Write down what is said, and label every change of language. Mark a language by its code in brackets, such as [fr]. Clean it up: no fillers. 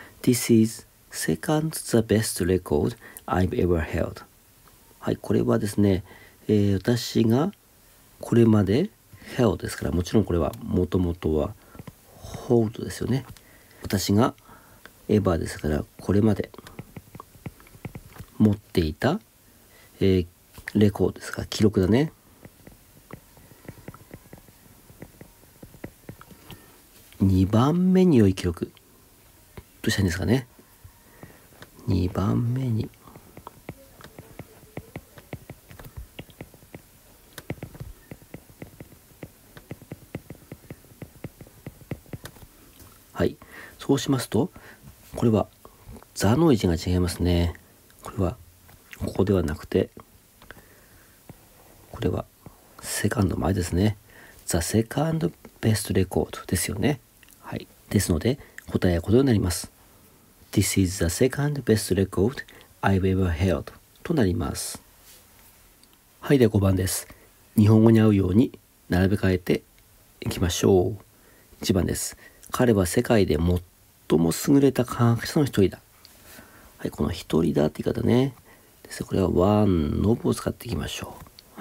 [en] This is second the best record I've ever held。 [ja] はい、これはですね、私がこれまで held ですから、もちろんこれはもともとは hold ですよね。私が ever ですから、これまで持っていた、レコードですか、記録だね。 2番目に良い記録どうしたんですかね。 2番目に はい、そうしますとこれは座の位置が違いますね。これはここではなくてこれはセカンド前ですね。 [en] The second best record [ja] ですよね。はい、ですので答えはこのようになります。 [en] This is the second best record I've ever held [ja] となります。はい、では5番です。日本語に合うように並べ替えていきましょう。1番です。彼は世界で最も優れた科学者の一人だ。はい、この一人だって言い方ね。ですこれは one of を使っていきましょう。